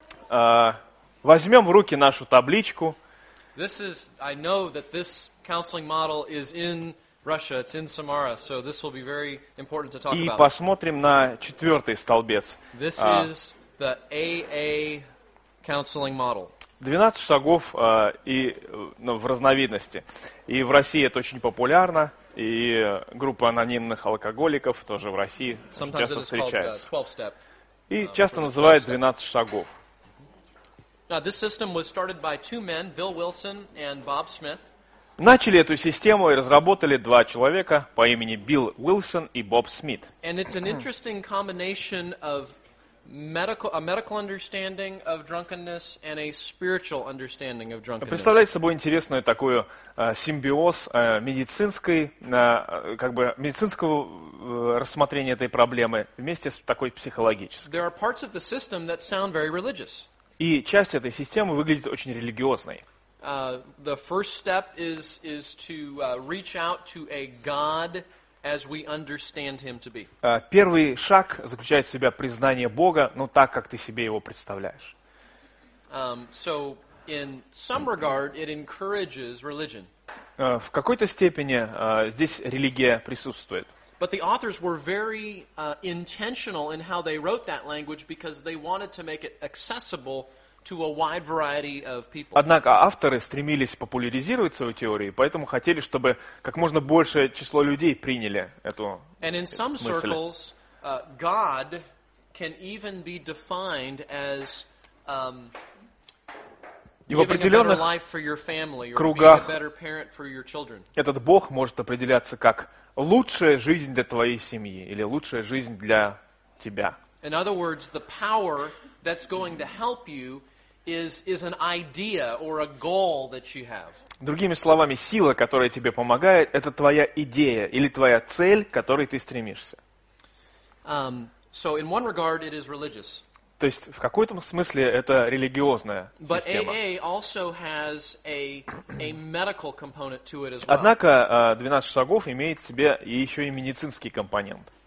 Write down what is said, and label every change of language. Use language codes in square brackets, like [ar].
[ru] возьмем в руки нашу табличку. [en] This is, I know that this counseling model is in Russia, it's in Samara, so this will be very important to talk [ru] и [en] about. [ru] И посмотрим на четвертый столбец. [en] This is the AA counseling model. [ru] 12 шагов и, ну, в разновидности. И в России это очень популярно, и группа анонимных алкоголиков тоже в России [en] sometimes [ru] часто встречается. [en] Called, 12-step, [ru] и часто называют 12 шагов. [en] Now, this system was started by two men, Bill Wilson and Bob Smith. [ru] Начали эту систему и разработали два человека по имени Билл Уилсон и Боб Смит. [en] And it's an interesting combination of a medical understanding of drunkenness and a spiritual understanding of drunkenness. [ru] Представляет собой интересную такую симбиоз медицинской, как бы медицинского рассмотрения этой проблемы вместе с такой психологической. [en] There are parts of the system that sound very religious. [ru] И часть этой системы выглядит очень религиозной. [en] The first step is to reach out to a God as we understand him to be. [ru] Первый шаг заключает в себе признание Бога, ну так, как ты себе его представляешь. [en] So in some regard it encourages religion. [ru] В какой-то степени здесь религия присутствует. [en] But the authors were very intentional in how they wrote that language because they wanted to make it accessible to a wide variety of people. [ru] Однако авторы стремились популяризировать свою теорию, поэтому хотели, чтобы как можно большее число людей приняли эту мысль. [en] And in some circles, God can even be defined as [ru] в определенных кругах этот Бог может определяться как лучшая жизнь для твоей семьи или лучшая жизнь для тебя. [en] In other words, the power that's going to help you is an idea or a goal that you have. [ru] Другими словами, сила, которая тебе помогает, это твоя идея или твоя цель, к которой ты стремишься. [en] So in one regard, it is religious. [ru] То есть в каком-то смысле это религиозная система. [en] But AA also has a medical component to it as well. [ru] Однако 12 шагов имеет в себе еще и медицинский компонент.